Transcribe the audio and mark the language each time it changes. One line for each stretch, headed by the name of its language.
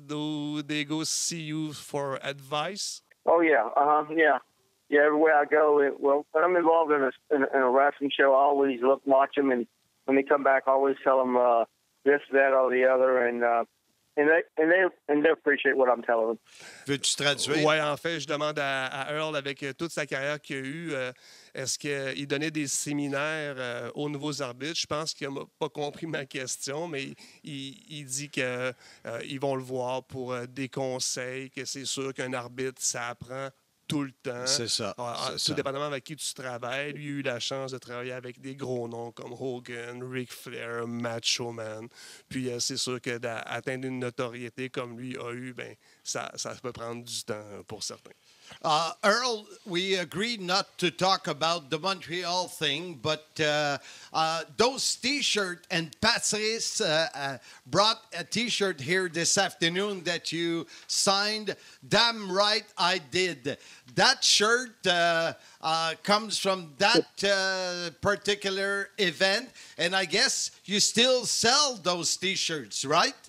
English: Do they go see you for advice? Oh, yeah. Yeah, everywhere I go, when I'm involved in a wrestling show, I always look, watch them, and when they come back, I always tell them this, that, or the other, And they appreciate what I'm telling them.
French: Veux-tu traduire? Oui, en fait, je demande à Earl, avec toute sa carrière qu'il a eue, est-ce qu'il donnait des séminaires aux nouveaux arbitres? Je pense qu'il n'a pas compris ma question, mais il dit qu'ils vont le voir pour des conseils, que c'est sûr qu'un arbitre, ça apprend tout le temps. C'est ça. Tout dépendamment avec qui tu travailles. Lui, il a eu la chance de travailler avec des gros noms comme Hogan, Ric Flair, Macho Man. Puis c'est sûr que d'atteindre une notoriété comme lui a eu, ben, ça peut prendre du temps pour certains.
English: Earl, we agreed not to talk about the Montreal thing, but those T-shirts, and Patrice brought a T-shirt here this afternoon that you signed. Damn right I did. That shirt comes from that particular event, and I guess you still sell those T-shirts, right?